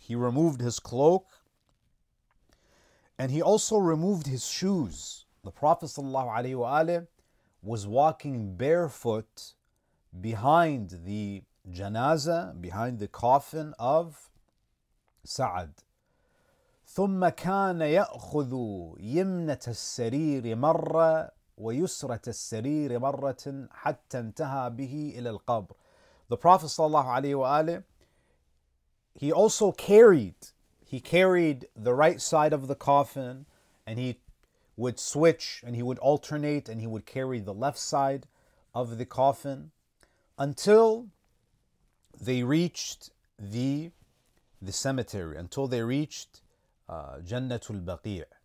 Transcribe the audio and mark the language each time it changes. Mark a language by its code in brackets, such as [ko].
[en] He removed his cloak. And he also removed his shoes. The Prophet sallallahu alayhi wa alayhi was walking barefoot behind the janazah, behind the coffin of Sa'd. [ar] ثم كان يأخذ يمنة السرير مرة ويسرة السرير مرة حتى انتهى به إلى القبر. [en] The Prophet صلى الله عليه وآله, he carried the right side of the coffin, and he would switch and he would alternate and he would carry the left side of the coffin until they reached the cemetery, until they reached Jannatul Baqi'.